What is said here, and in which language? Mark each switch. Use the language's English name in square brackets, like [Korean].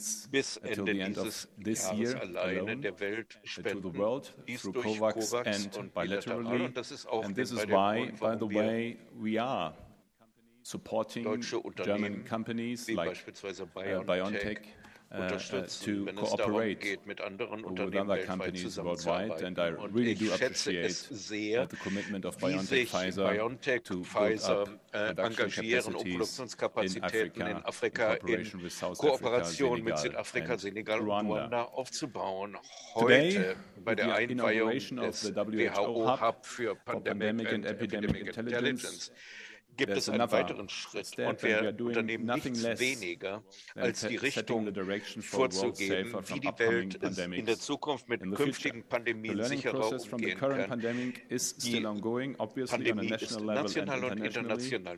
[German] bis Ende dieses Jahres alleine der Welt spenden, dies durch COVAX und bilateral. [English] And this is why, by the way, we are supporting German companies like BioNTech to cooperate with other companies worldwide. And I really do appreciate the commitment of BioNTech, Pfizer, to build up production capacities in Africa, in cooperation with South Africa, Senegal, Rwanda. Today, with the inauguration of the WHO Hub for Pandemic and Epidemic Intelligence, [German] gibt es einen weiteren Schritt, und wir unternehmen nichts weniger, als die Richtung vorzugeben, wie die Welt in der Zukunft mit künftigen Pandemien sicherer umgehen kann. Die Pandemie ist national und international